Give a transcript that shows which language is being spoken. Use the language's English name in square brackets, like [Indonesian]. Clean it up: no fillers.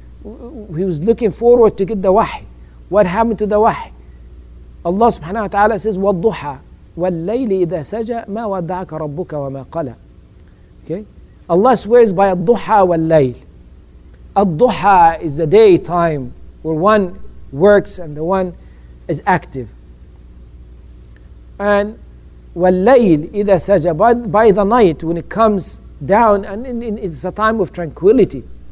[English] He was looking forward to get the wahi. What happened to the wahi? [Arabic] Allah subhanahu wa ta'ala says, وَالضُّحَى وَاللَّيْلِ إِذَا سَجَى مَا وَدَّعَكَ رَبُّكَ وَمَا قَلَى. [English] Okay? Allah swears by الضُّحَى وَاللَّيْلِ. الضُّحَى is the day time where one works and the one is active. And [Arabic] وَاللَّيْلِ إِذَا سَجَى, [English] by the night when it comes down, and it's a time of tranquility.